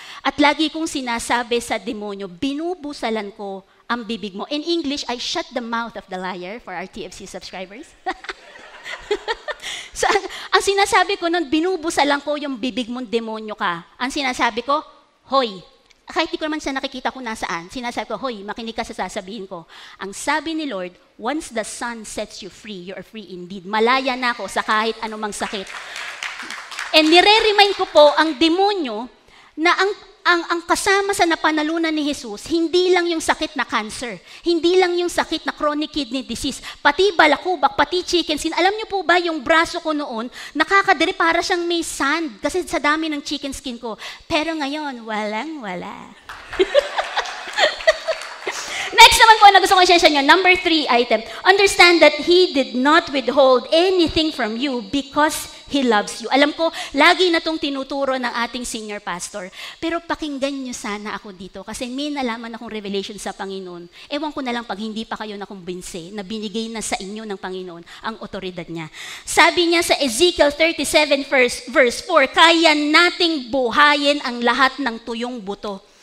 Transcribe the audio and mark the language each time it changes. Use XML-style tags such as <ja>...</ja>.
<tl>At lagi kong sinasabi sa demonyo, binubusalan ko ang bibig mo.</tl> <en>In English, I shut the mouth of the liar for our TFC subscribers.</en> <tl>So, ang sinasabi ko nun, binubusalan ko yung bibig mong demonyo ka. Ang sinasabi ko, hoy, kahit di ko naman siya nakikita kung nasaan, sinasabi ko, hoy, makinig ka sa sasabihin ko. Ang sabi ni</tl> <en>Lord, once the sun sets you are free indeed.</en> <tl>Malaya na ako sa kahit anumang sakit. And nire-remind ko po ang demonyo na ang kasama sa napanalunan ni Jesus, hindi lang yung sakit na cancer, hindi lang yung sakit na chronic kidney disease, pati balakubak, pati chicken skin. Alam niyo po ba yung braso ko noon, nakakadiri para siyang may sand kasi sa dami ng chicken skin ko. Pero ngayon, walang wala. Next naman po na gusto kong share sa inyo, number 3 item.</tl> <en>Understand that He did not withhold anything from you because He loves you.</en> <tl>Alam ko, lagi na itong tinuturo ng ating senior pastor. Pero pakinggan nyo sana ako dito kasi may nalaman akong revelation sa Panginoon. Ewan ko na lang pag hindi pa kayo nakumbinse na binigay na sa inyo ng Panginoon ang otoridad niya. Sabi niya sa Ezekiel 37 verse 4, kaya nating buhayin ang lahat ng tuyong buto.</tl>